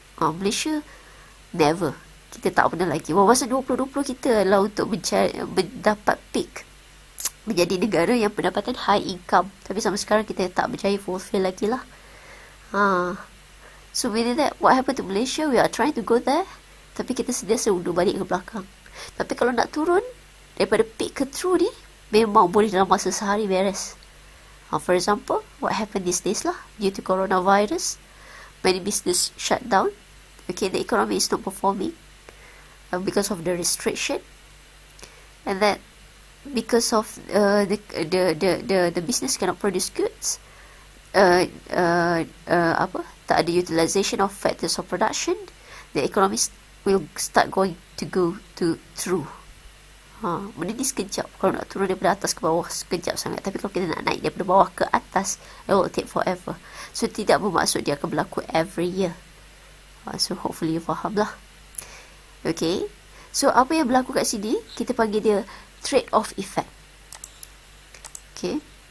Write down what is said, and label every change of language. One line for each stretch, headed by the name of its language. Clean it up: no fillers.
English: Malaysia, never.
Malay: Kita tak pernah lagi. Masa 2020 kita lah untuk mendapat peak. Menjadi negara yang pendapatan high income. Tapi sampai sekarang kita tak berjaya fulfill lagi lah.
English: So, meaning that what happened to Malaysia, we are trying to go there.
Malay: Tapi kita sedia undur balik ke belakang. Tapi kalau nak turun, daripada peak ke true ni, memang boleh dalam masa sehari beres.
English: For example, what happened these days lah, due to coronavirus, many business shut down. Okay, the economy is not performing because of the restriction. And then, because of the business cannot produce goods,
Malay: apa tak ada
English: utilization of factors of production, the economy will start going to go to through.
Malay: Ha, benda ni sekejap. Kalau nak turun daripada atas ke bawah, sekejap sangat. Tapi kalau kita nak naik daripada bawah ke atas,
English: it will take forever.
Malay: So, tidak bermaksud dia akan berlaku
English: every year.
Malay: Ha, so, hopefully you faham lah. Okay. So, apa yang berlaku kat sini, kita panggil dia trade-off effect. Okay.